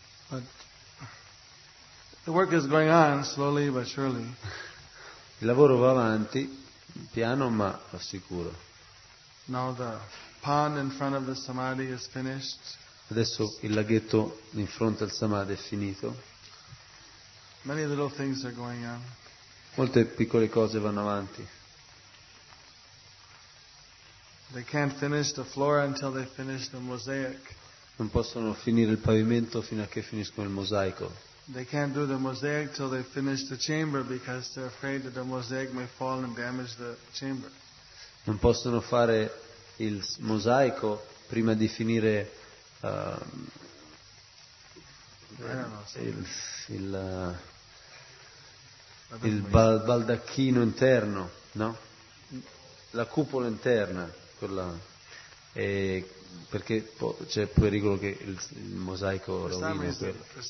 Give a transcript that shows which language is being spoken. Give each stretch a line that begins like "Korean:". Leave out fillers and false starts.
English: But the work is going on slowly but surely.
Italian: Il lavoro va avanti, piano ma sicuro.
English: Now the pond in front of the samadhi is finished.
Italian: Adesso il laghetto in fronte al samadhi è finito.
English: Many little things are going on.
Italian: Molte piccole cose vanno avanti.
English: They can't finish the floor until they finish the mosaic.
Italian: Non possono finire il pavimento fino a che finiscono il mosaico.
English: They can't do the mosaic till they finish the chamber because they're afraid that the mosaic may fall and damage the chamber.
Italian: Non possono fare il mosaico prima di finire il baldacchino interno, no? La cupola interna, quella, e perché c'è il pericolo che il mosaico rovini quello.